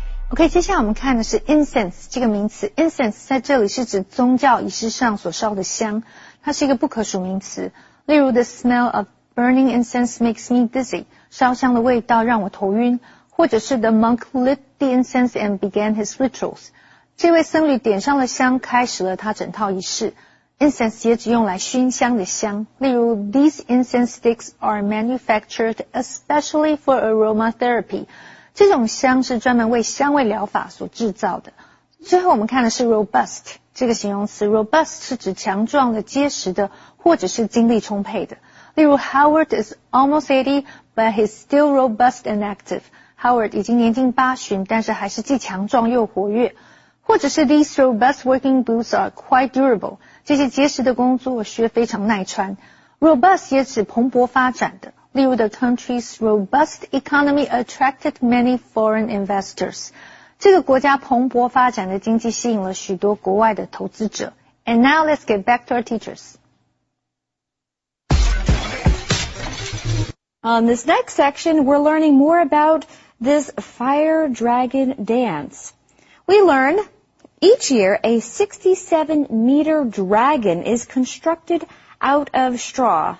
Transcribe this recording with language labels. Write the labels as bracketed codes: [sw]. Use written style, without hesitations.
[zh] Okay, 接下来我们看的是 incense 这个名词。Incense 在这里是指宗教仪式上所烧的香，它是一个不可数名词。例如 [en] the smell ofBurning incense makes me dizzy. [zh] 烧香的味道让我头晕。 [en] 或者是 the monk lit the incense and began his rituals. [zh] 这位僧侣点上了香，开始了他整套仪式。 Incense 也只用来熏香的香。例如 [en] these incense sticks are manufactured especially for aromatherapy. [zh] 这种香是专门为香味疗法所制造的。最后我们看的是 robust 这个形容词。Robust 是指强壮的、结实的，或者是精力充沛的。例如 [en] Howard is almost 80, but he's still robust and active. [zh] Howard 已经年近八旬，但是还是既强壮又活跃。或者是 [en] these robust working boots are quite durable. [zh] 这些结实的工作靴非常耐穿。 Robust 也指蓬勃发展的。例如 [en] the country's robust economy attracted many foreign investors. [zh] 这个国家蓬勃发展的经济吸引了许多国外的投资者。 [en] And now let's get back to our teachers. On this next section, we're learning more about this fire dragon dance. We learn each year a 67-meter dragon is constructed out of straw.